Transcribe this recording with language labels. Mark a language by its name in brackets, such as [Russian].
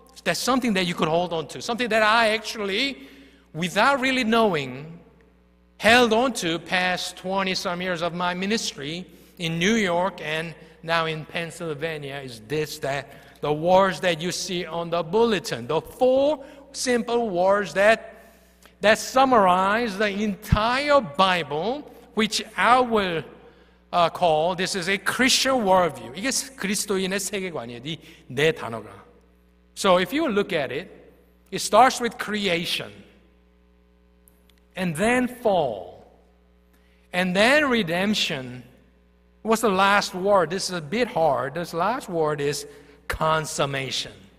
[English] That's something that you could hold on to, something that I actually, without really knowing, held on to past 20-some years of my ministry in New York and now in Pennsylvania, is this, that the words that you see on the bulletin, the four simple words that summarize the entire Bible, which I will call, this is a Christian worldview. [Korean] 이게 그리스도인의 세계관이에요, 네 단어가. [English] So if you look at it, it starts with creation, and then fall, and then redemption. What's the last word? This is a bit hard. This last word is consummation.